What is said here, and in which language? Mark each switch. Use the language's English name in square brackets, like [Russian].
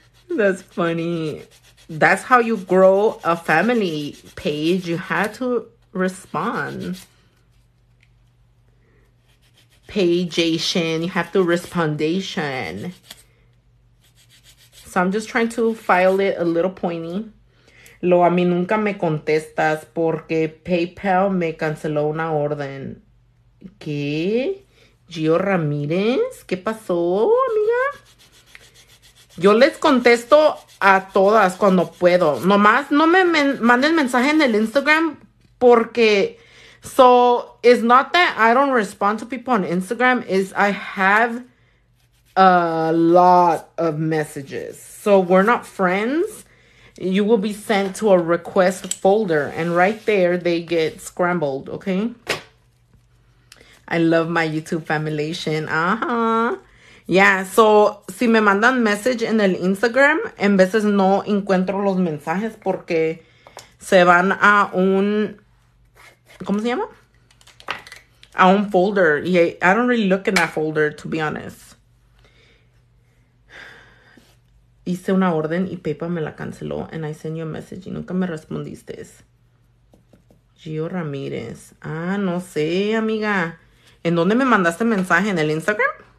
[English] That's funny. That's how you grow a family, Paige. You had to respond. Pageation. You have to respondation. So I'm just trying to file it a little pointy. [Spanish] Lo a mí nunca me contestas porque PayPal me canceló una orden. ¿Qué? Gio Ramírez, ¿qué pasó, amiga? Yo les contesto a todas cuando puedo. Nomás no me manden mensaje en el Instagram porque... [English] So, it's not that I don't respond to people on Instagram. It's I have a lot of messages. So, we're not friends. You will be sent to a request folder. And right there, they get scrambled, okay? I love my YouTube familiation. Uh-huh. Yeah, so, [Spanish] si me mandan message en el Instagram, en veces no encuentro los mensajes porque se van a un... ¿Cómo se llama? A un folder. [English] Yeah, I don't really look in that folder, to be honest. [Spanish] Hice una orden y PayPal me la canceló. [English] And I sent you a message [Spanish] y nunca me respondiste. [English] Gio Ramírez. [Spanish] Ah, no sé, amiga. ¿En dónde me mandaste mensaje? ¿En el Instagram?